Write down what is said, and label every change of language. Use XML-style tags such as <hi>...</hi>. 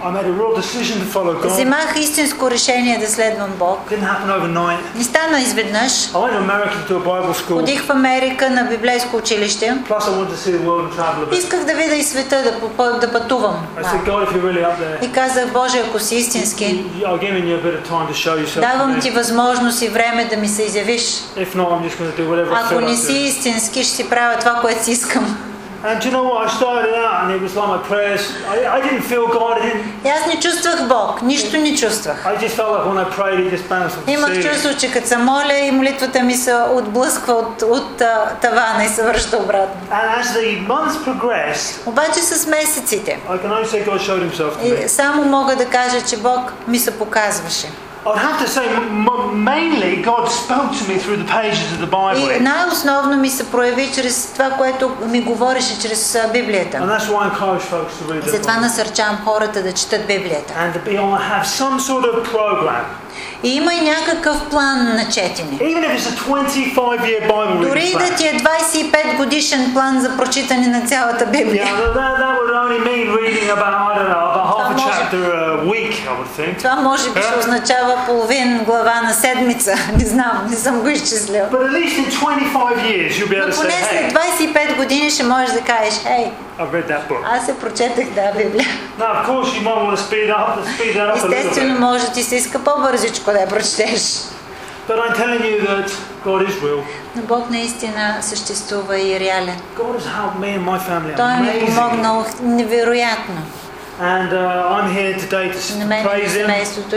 <en>I made a real decision to follow God.</en> <bg>Взимах истинско решение да следвам Бог.</bg> <en>Didn't happen overnight.</en> <bg>Не стана изведнъж.</bg> <en>I went to America to a Bible school.</en> <bg>Ходих в Америка на библейско училище.</bg> <en>Plus I wanted to see the world and travel a bit.</en> <bg>Исках да видя и света, да пътувам.</bg> <en>I said, God, if you're really up there.</en> <bg>И казах, Боже, ако си истински.</bg> <en>I'll give you a bit of time to show yourself.</en> <bg>Давам ти възможност и време да ми се изявиш.</bg> <en>If not, I'm just going to do whatever.</en> <bg>Ако не си истински, ще си правя това, което си искам.</bg> <en>And you know what? I started out, and it was like my prayers. I didn't feel God.</en> <bg>Аз не чувствах Бог. Нищо не чувствах.</bg> <en>I just felt like when I prayed, it just bounced off the ceiling.</en> <bg>Имах чувство, че като се моля и молитвата ми се отблъсква от тавана и се връща обратно.</bg> <en>And as the months progressed,</en> <bg>обаче с месеците,</bg> <en>I can only say God showed Himself to me.</en> <bg>Само мога да кажа, че Бог ми се показваше.</bg> <en>I'd have to say mainly God spoke to me through the pages of the Bible.</en> <bg>И най-основно ми се прояви чрез това, което ми говореше чрез Библията.</bg> <en>And that's why I encourage folks to read it.</en> <bg>Затова насърчавам хората да четат Библията.</bg> <en>And to be able to have some sort of program.</en> <bg>И има и някакъв план на четене.</bg> <en>Even if it's a 25-year Bible reading plan.</en> <bg>Дори да ти е 25 годишен план за прочитане на цялата Библия.</bg> <en>Yeah, that would only mean reading about, I don't know, about half a chapter a week, I would think.</en> <bg>Това може би ще означава половин глава на седмица. Не знам, не съм го изчислил.</bg> <en>But at least in 25 years you'll be able to say, hey.</en> <bg>Но поне след 25 години ще можеш да кажеш, hey.</bg> <en>I've read that book.</en> <bg>Аз се прочетах тази Библия.</bg> <en>Now, of course, you might want to speed up a little bit.</en> <bg>Естествено, може ти се иска по-бързичко да я прочетеш.</bg> <en>But I'm telling you that God is real.</en> <bg>Но Бог наистина съществува и реален.</bg> <en>God has helped me and my family.</en> <bg>Той ми е помогнал невероятно.</bg> <en>And I'm here today to praise Him.</en>